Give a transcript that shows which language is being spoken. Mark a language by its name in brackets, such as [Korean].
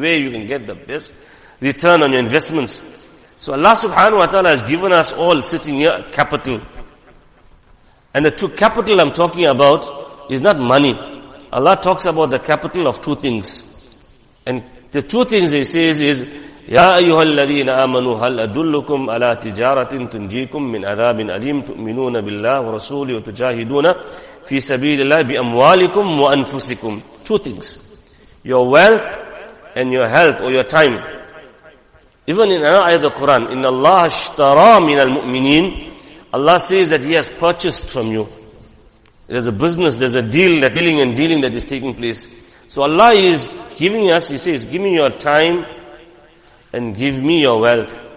[English] Where you can get the best return on your investments. So Allah subhanahu wa ta'ala has given us all sitting here capital. And the two capital I'm talking about is not money. Allah talks about the capital of two things. And the two things He says is [Arabic] يا أيها الذين آمنوا هل أدلكم على تجارة تنجيكم من عذاب أليم تؤمنون بالله ورسوله وتجاهدون في سبيل الله بأموالكم وأنفسكم. [English] Two things, your wealth and your health or your time. Even in an ayah of the Quran, [Arabic] إن الله اشترى من المؤمنين, [English] Allah says that He has purchased from you. There's a business, there's a deal, that dealing and dealing that is taking place. So Allah is giving us, He says, give me your time and give me your wealth.